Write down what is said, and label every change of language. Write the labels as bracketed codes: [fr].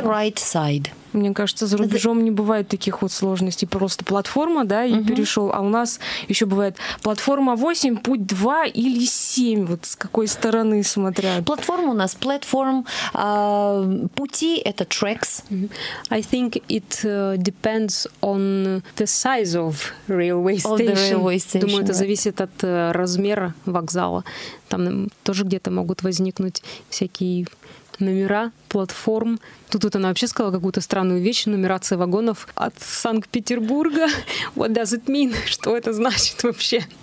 [en] The right side. [ru] Мне кажется, за рубежом не бывает таких вот сложностей. Просто платформа, да, и перешел. А у нас еще бывает платформа 8, путь 2 или 7. Вот с какой стороны смотря. Платформа у нас, платформ, пути — это tracks. [en] I think it depends on the size of railway station. Of the railway station. [ru] Думаю, это зависит от размера вокзала. Там тоже где-то могут возникнуть всякие... Номера, платформ. Тут она вообще сказала какую-то странную вещь. Нумерация вагонов от Санкт-Петербурга. [en] What does it mean? [ru] Что это значит вообще?